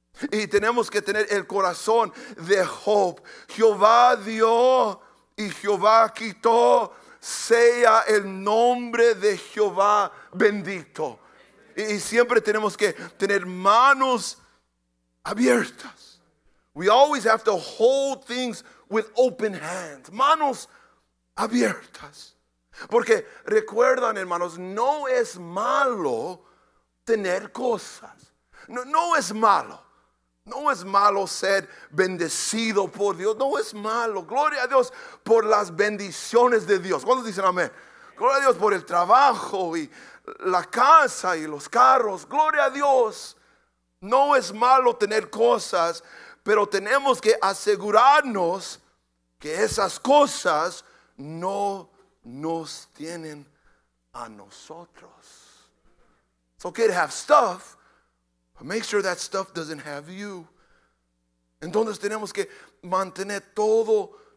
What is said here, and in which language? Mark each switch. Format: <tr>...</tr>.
<es>Y tenemos que tener el corazón de Job. Jehová dio y Jehová quitó, sea el nombre de Jehová bendito. Y siempre tenemos que tener manos abiertas.</es> <en>We always have to hold things with open hands.</en> <es>Manos abiertas. Porque recuerdan, hermanos, no es malo tener cosas. No es malo. No es malo ser bendecido por Dios. No es malo. Gloria a Dios por las bendiciones de Dios. ¿Cuántos dicen amén? Gloria a Dios por el trabajo y la casa y los carros. Gloria a Dios. No es malo tener cosas, pero tenemos que asegurarnos que esas cosas no nos tienen a nosotros.</es> <en>It's okay to have stuff. But make sure that stuff doesn't have you.</en> <es>Entonces tenemos que mantener todo</es>